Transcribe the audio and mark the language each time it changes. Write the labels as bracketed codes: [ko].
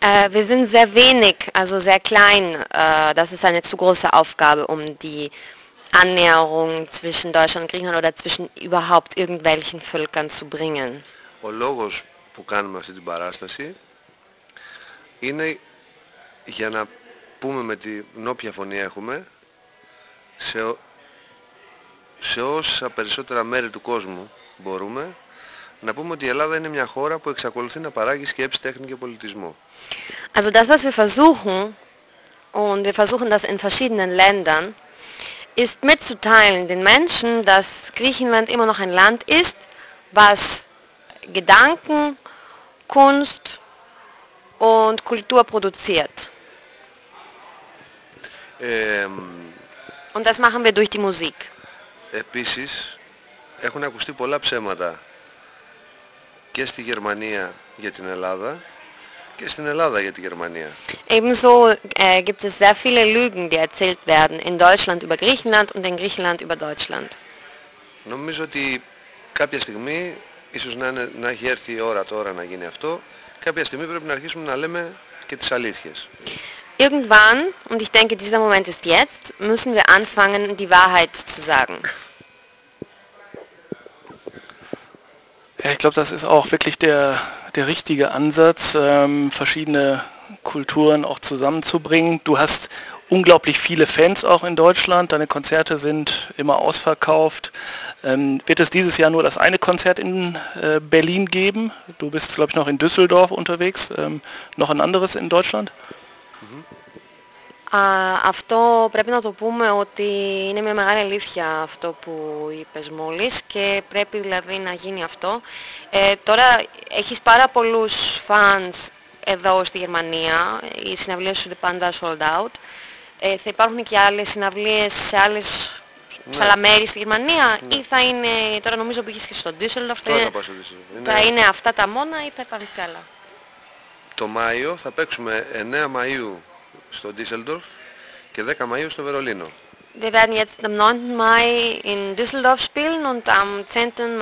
[de] Wir sind sehr wenig, also sehr klein. Das ist eine zu große Aufgabe, um die Annäherung zwischen Deutschland und Griechenland oder zwischen überhaupt irgendwelchen Völkern zu bringen. [el] Ο λόγος που κάνουμε αυτή την παράσταση είναι για να πούμε με την όποια φωνή έχουμε σε όσα περισσότερα μέρη του κόσμου μπορούμε να πούμε ότι η Ελλάδα είναι μια χώρα που εξακολουθεί να παράγει σκέψη, τέχνη και πολιτισμό. [de] Also das, was wir versuchen, und wir versuchen das in verschiedenen Ländern, ist mitzuteilen den Menschen, dass Griechenland immer noch ein Land ist, was Gedanken, Kunst und Kultur produziert. Und das machen wir durch die Musik. [el] Επίσης, έχουν ακουστεί πολλά ψέματα και στη Γερμανία για την Ελλάδα και στην Ελλάδα για τη Γερμανία. [de] Ebenso gibt es sehr viele Lügen, die erzählt werden in Deutschland über Griechenland und in Griechenland über Deutschland. [el] Νομίζω ότι κάποια στιγμή, ίσως να έχει έρθει η ώρα τώρα να γίνει αυτό, κάποια στιγμή πρέπει να αρχίσουμε να λέμε και τις αλήθειες. [de] Irgendwann, und ich denke, dieser Moment ist jetzt, müssen wir anfangen, die Wahrheit zu sagen. Ja, ich glaube, das ist auch wirklich der richtige Ansatz, verschiedene Kulturen auch zusammenzubringen. Du hast unglaublich viele Fans auch in Deutschland, deine Konzerte sind immer ausverkauft. Wird es dieses Jahr nur das eine Konzert in Berlin geben? Du bist, glaube ich, noch in Düsseldorf unterwegs, noch ein anderes in Deutschland? [el] Αυτό πρέπει να το πούμε ότι είναι μια μεγάλη αλήθεια αυτό που είπες μόλις και πρέπει δηλαδή να γίνει αυτό. Τώρα έχεις πάρα πολλούς fans εδώ στη Γερμανία, οι συναυλίες σου είναι πάντα sold out. Θα υπάρχουν και άλλες συναυλίες σε άλλες μέρη στη Γερμανία ή θα είναι, τώρα νομίζω πήγες και στον Ντίσσελντορφ, θα είναι αυτά τα μόνα ή θα υπάρχουν κι άλλα. Το Μάιο θα παίξουμε 9 Μαΐου στο Ντίσσελντορφ και 10 Μαΐου στο Βερολίνο. [de] Wir werden jetzt am 9. Mai in Düsseldorf spielen und am 10.